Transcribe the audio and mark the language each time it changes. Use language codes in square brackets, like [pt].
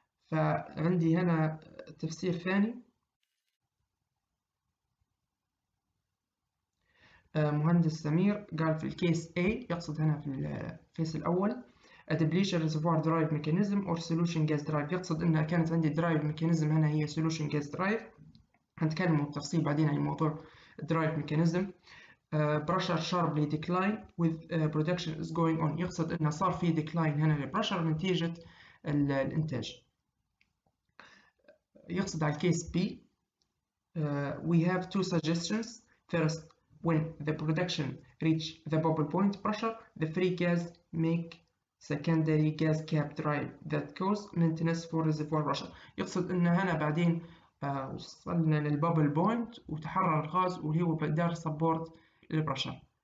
[ar] فعندي هنا تفسير ثاني مهندس سمير قال في الكيس A، يقصد هنا في الفيس الأول [en] A depletion reservoir drive mechanism or solution gas drive، [ar] يقصد إنها كانت عندي drive mechanism هنا هي solution gas drive، هنتكلم بالتفصيل بعدين عن موضوع drive mechanism. [en] Pressure sharply decline with production is going on، [ar] يقصد إنه صار في decline هنا للبرشر نتيجة الإنتاج. يقصد على الكيس B [en] we have two suggestions، first when the production reach the bubble point pressure the free gas make secondary gas cap drive that cause maintenance for reservoir pressure، [ar] يقصد ان هنا بعدين وصلنا للبابل بوينت وتحرر الغاز وهو دار سبورت للبرشر،